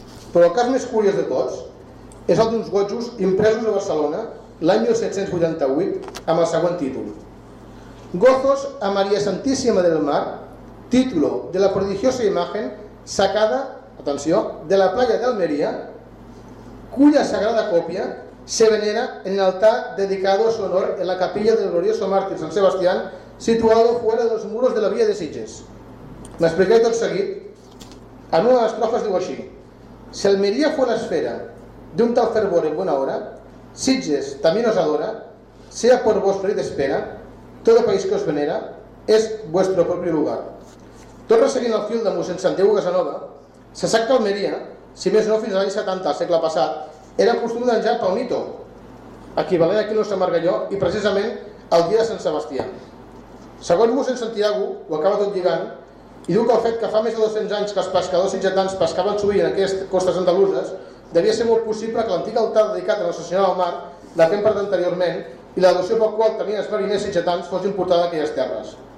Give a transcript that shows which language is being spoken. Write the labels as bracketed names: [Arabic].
[Catalan] Però el cas més curiós de tots és el d'uns gojos impresos a Barcelona l'any 1788 amb el següent títol: [Spanish] Gozos a Maria Santíssima del Mar, título de la prodigiosa imagen sacada, [Catalan] atenció, [Spanish] de la playa de Almería, cuya sagrada copia se venera en el altar dedicado a su honor en la capilla del glorioso mártir San Sebastián, situado fuera de los muros de la Villa de Sitges. [Catalan] M'expliqué tot seguit. En una de les estrofes diu així: [Spanish] si Almería fue la esfera de un tal fervor en buena hora, Sitges también os adora, sea por vos feliz espera, todo país que os venera es vuestro propio lugar. [Catalan] Tot resseguint el fil de mossèn Santiago Casanova, se sap que Almeria, si més no fins a l'any 70, al segle passat, era costum d'enjar Palmito, equivalent aquí a nostre Margalló, i precisament el dia de Sant Sebastià. Segons mossèn Santiago, ho acaba tot lligant, i diu que el fet que fa més de 200 anys que els pescadors sitgetans pescaven sovint en aquestes costes andaluses, devia ser molt possible que l'antic altar dedicat a la Nostra Senyora del Mar, la temple d'anteriorment, i la devoció pel qual tenien els mariners sitgetans fos importada a aquelles terres.